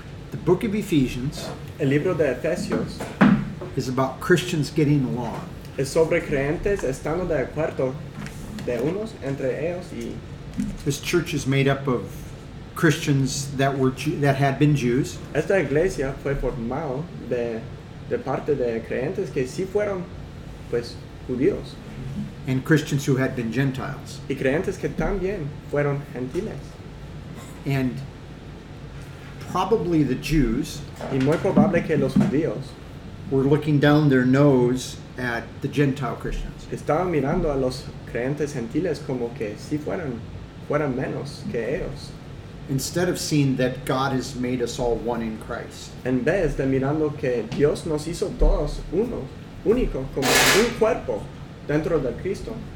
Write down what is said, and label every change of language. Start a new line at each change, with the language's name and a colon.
English: The book of Ephesians,
Spanish: el libro de Efesios,
English: is about Christians getting along.
Spanish: Es sobre creyentes estando de acuerdo de unos entre ellos y.
English: This church is made up of Christians that had been Jews.
Spanish: Esta iglesia fue formado de parte de creyentes que sí fueron pues judíos.
English: And Christians who had been Gentiles.
Spanish: Y creyentes que también fueron gentiles.
English: And probably the Jews,
Spanish: y muy probable que los judíos,
English: were looking down their nose at the Gentile Christians.
Spanish: Estaban mirando a los creyentes gentiles como que si fueran menos que ellos.
English: Instead of seeing that God has made us all one in Christ.
Spanish: En vez de mirando que Dios nos hizo todos uno, único, como un cuerpo dentro de Cristo.